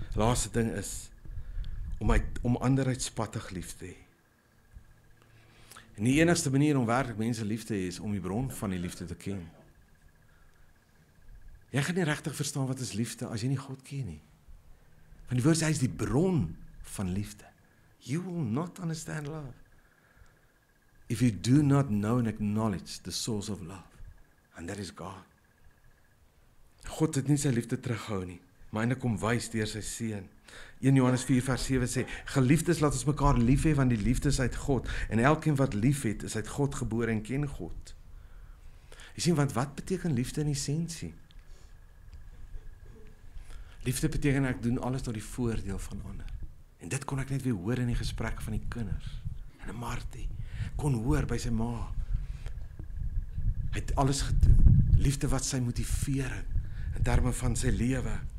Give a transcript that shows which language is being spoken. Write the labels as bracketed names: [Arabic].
[Afrikaans] Laaste ding is, om ander uitspattig lief te hê. En die enigste manier om werklik mense lief te hê, is om die bron van die liefde te ken. Jy gaan nie regtig verstaan wat is liefde as jy nie God ken nie. Want die woord sê hy is die bron van liefde. [English] You will not understand love if you do not know and acknowledge the source of love. And that is God. [Afrikaans] God het nie sy liefde terughou nie, maar eindelijk kom wys deur sy seun. 1 Johannes 4 vers 7 sê, geliefdes laat ons mekaar lief hê, want die liefde is uit God. En elkeen wat lief het, is uit God gebore en ken God. Jy sien, want wat beteken liefde in essensie? Liefde beteken ek doen alles tot die voordeel van ander. En dit kon ek net weer hoor in die gesprekke van die kinders. En Martie kon hoor by sy ma. Hy het alles gedoen. Liefde wat sy motivering in terme van sy lewe.